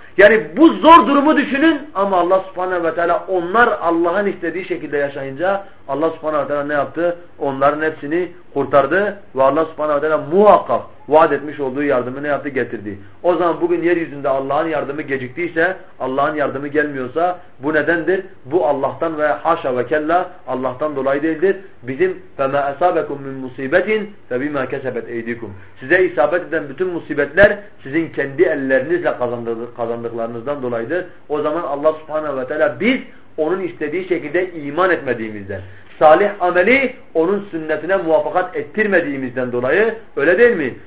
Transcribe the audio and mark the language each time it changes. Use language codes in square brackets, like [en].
[tr] Yani bu zor durumu düşünün ama Allah subhanehu ve teala onlar Allah'ın istediği şekilde yaşayınca Allah subhanehu ve teala ne yaptı? Onların hepsini kurtardı ve Allah subhanehu ve teala muhakkak vaat etmiş olduğu yardımı ne yaptı? Getirdi. O zaman bugün yeryüzünde Allah'ın yardımı geciktiyse, Allah'ın yardımı gelmiyorsa bu nedendir? Bu Allah'tan ve haşa ve kella Allah'tan dolayı değildir. Bizim [ar] فَمَا أَسَابَكُمْ مِنْ مُصِيبَتٍ فَبِمَا كَسَبَتْ اَيْدِيكُمْ. [tr] Size isabet eden bütün musibetler sizin kendi ellerinizle kazandıklarınızdan dolayıdır. O zaman Allah subhanehu ve teala biz onun istediği şekilde iman etmediğimizden, salih ameli onun sünnetine muvafakat ettirmediğimizden dolayı, öyle değil mi?